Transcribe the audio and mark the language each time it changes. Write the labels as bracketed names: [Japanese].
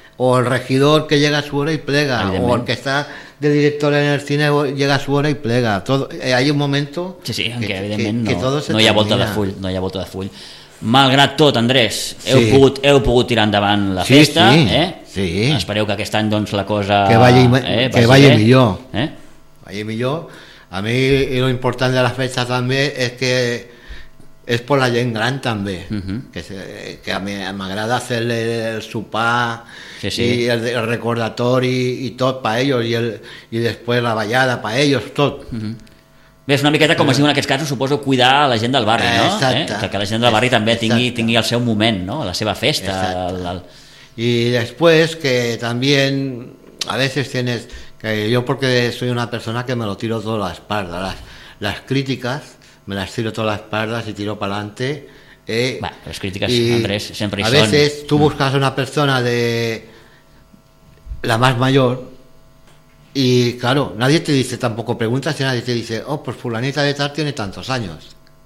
[Spanish] O el regidor que llega a su hora y plega. O el que está de director en el cine llega a su hora y plega. Todo, hay un momento... Sí, sí, aunque evidentemente no hay vuelta de full. [Catalan] Malgrat tot, Andrés, heu, sí, pogut, heu pogut tirar endavant la, sí, festa, sí, eh? Sí. Espereu que aquest any, doncs, la cosa... Que vagi, que vagi millor. Eh? Vagi millor. A mi, lo important de la festa també és que és per la gent gran també, que a mi m'agrada fer-li el sopar, sí, sí, i el recordatori i tot per a ells, i, el, i després la ballada per a ells, tot. Bé, és una miqueta, com es diu en aquests casos, suposo, cuidar la gent del barri, no? Exacte. Que la gent del barri també tingui, tingui el seu moment, no? La seva festa. I després, que també a vegades tens... [Spanish] Yo porque soy una persona que me lo tiro todo a la espalda, las críticas me las tiro todo a la espalda y tiro para adelante. Las críticas, Andrés, siempre a veces tú buscas a una persona de la más mayor y claro, nadie te dice, tampoco preguntas, y nadie te dice, oh, pues fulanita de tal tiene tantos años.